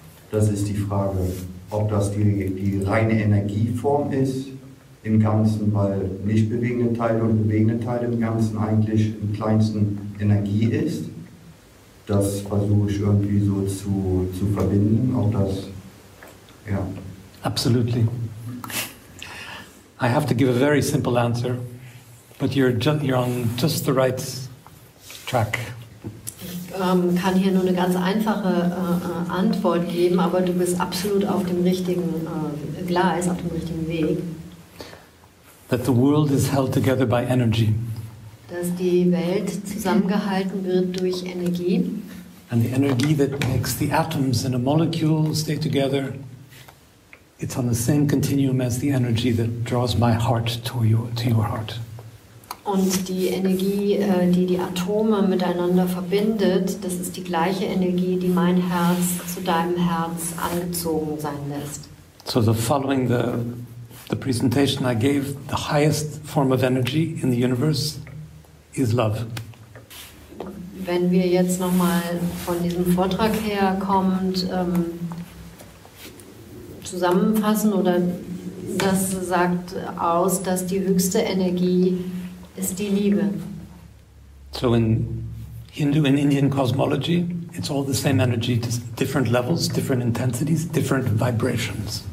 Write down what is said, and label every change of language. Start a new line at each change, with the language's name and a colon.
German: Das ist die Frage, ob das die reine Energieform ist. Im Ganzen, weil nicht bewegende Teile und bewegende Teile im Ganzen eigentlich im kleinsten Energie ist. Das versuche ich irgendwie so zu verbinden, auch das, ja.
English: Absolutely. I have to give a very simple answer, but you're on just the right track.
German: Kann hier nur eine ganz einfache Antwort geben, aber du bist absolut auf dem richtigen Gleis, auf dem richtigen Weg.
English: That the world is held together by energy.
German: Dass die Welt zusammengehalten wird durch Energie.
English: And the energy that makes the atoms in a molecule stay together, it's on the same continuum as the energy that draws my heart to your heart.
German: Und die Energie, die die Atome miteinander verbindet, das ist die gleiche Energie, die mein Herz zu deinem Herz angezogen sein lässt.
English: So the following the presentation I gave, the highest form of energy in the universe is love.
German: Wenn wir jetzt nochmal von diesem Vortrag her kommend zusammenfassen, oder das sagt aus, dass die höchste Energie ist die Liebe.
English: So in Hindu and Indian cosmology, it's all the same energy, different levels, different intensities, different vibrations.